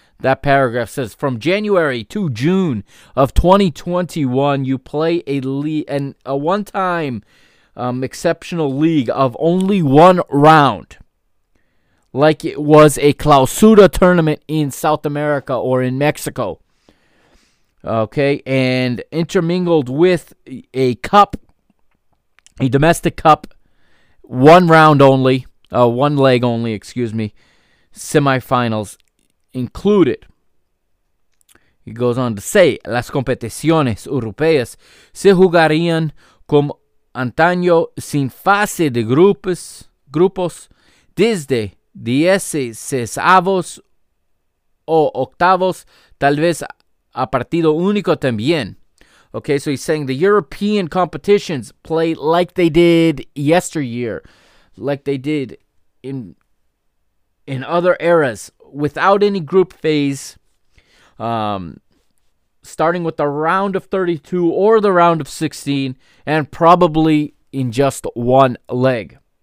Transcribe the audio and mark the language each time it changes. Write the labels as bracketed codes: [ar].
[en] That paragraph says, from January to June of 2021, you play a one-time exceptional league of only one round, like it was a clausura tournament in South America or in Mexico. Okay, and intermingled with a cup, a domestic cup, one round only, one leg only, excuse me, semifinals included. He goes on to say, [es] las competiciones europeas se jugarían como antaño sin fase de grupos desde 16avos o octavos, tal vez a partido único también. [en] Okay, so he's saying the European competitions play like they did yesteryear, like they did in other eras, without any group phase, starting with the round of 32 or the round of 16, and probably in just one leg.